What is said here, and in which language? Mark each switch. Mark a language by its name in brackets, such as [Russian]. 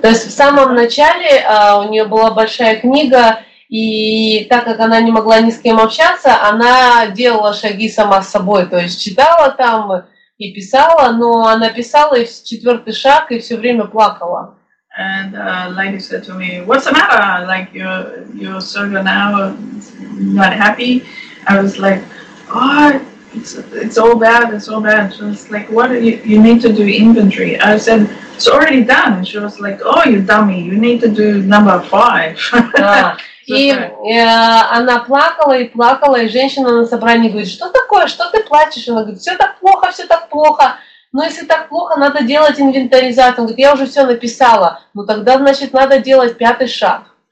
[Russian] То есть в самом начале у нее была большая книга. И так как она не могла ни с кем общаться, она делала шаги сама с собой, то есть читала там. И писала, но она писала и четвертый шаг и все время плакала. [English] And lady said to me, "What's the matter? Like you're sober now, not happy?" I was like, "Oh, it's all bad, it's all bad." She was like, "What do you need to do inventory?" I said, "It's already done." She was like, "Oh, you dummy, you need to do number five." [Russian] И она плакала и плакала, и женщина на собрании говорит, что такое, что ты плачешь? Она говорит, все так плохо, но если так плохо, надо делать инвентаризацию. Он говорит, я уже все написала, ну тогда, значит, надо делать пятый шаг.